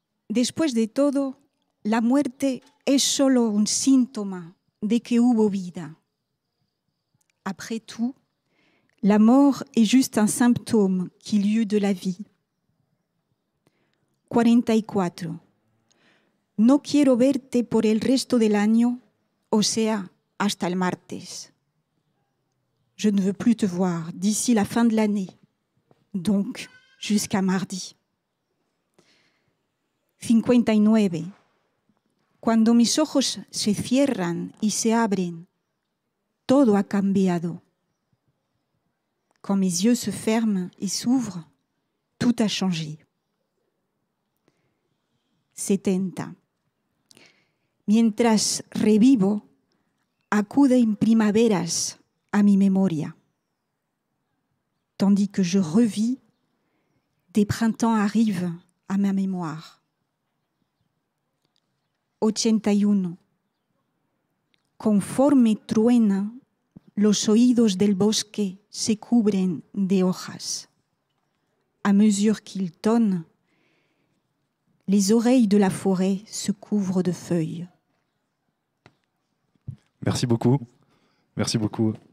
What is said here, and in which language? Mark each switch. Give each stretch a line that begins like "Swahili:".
Spanish: Después de todo, la muerte es solo un síntoma de que hubo vida.
French: Après tout, la mort est juste un symptôme qu'il y eut de la vie. 44.
Spanish: No quiero verte por el resto del año, o sea, hasta el martes.
French: Je ne veux plus te voir d'ici la fin de l'année, donc jusqu'à mardi. 59.
Spanish: Cuando mis ojos se cierran y se abren, todo ha cambiado.
French: Quand mes yeux se ferment et s'ouvrent, tout a changé.
Spanish: 70. Mientras revivo, acuden primaveras a mi memoria.
French: Tandis que je revis, des printemps arrivent à ma mémoire. 81.
Spanish: Conforme truena, los oídos del bosque se cubren de hojas.
French: À mesure qu'il tonne, les oreilles de la forêt se couvrent de feuilles. Merci beaucoup. Merci beaucoup.